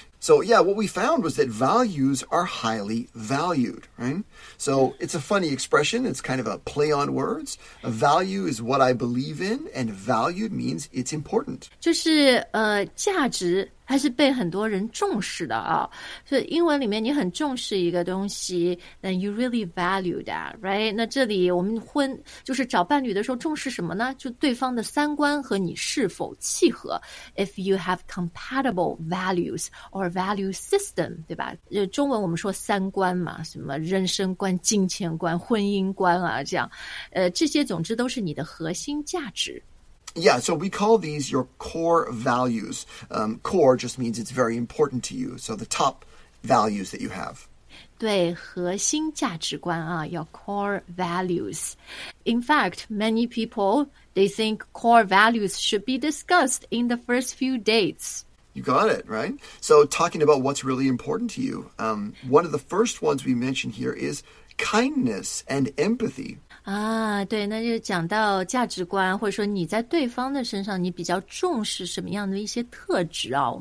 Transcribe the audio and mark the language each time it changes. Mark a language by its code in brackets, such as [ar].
[en] So yeah, what we found was that values are highly valued, right? So it's a funny expression. It's kind of a play on words. A value is what I believe in, and valued means it's important. [zh] 就是价值还是被很多人重视的啊。所以英文里面你很重视一个东西 ， [en] then you really value that, right? [zh] 那这里我们婚就是找伴侣的时候重视什么呢？就对方的三观和你是否契合。 [en] If you have compatible values or value system, [zh] 对吧？中文我们说三观嘛，什么人生观、金钱观、婚姻观啊，这样，这些总之都是你的核心价值。 [en] Yeah, so we call these your core values. Core just means it's very important to you. So the top values that you have. [zh] 对，核心价值观啊， [en] your core values. In fact, many people, they think core values should be discussed in the first few dates. You got it, right? So talking about what's really important to you, one of the first ones we mention here is kindness and empathy. [zh] 啊，对，那就讲到价值观，或者说你在对方的身上，你比较重视什么样的一些特质啊？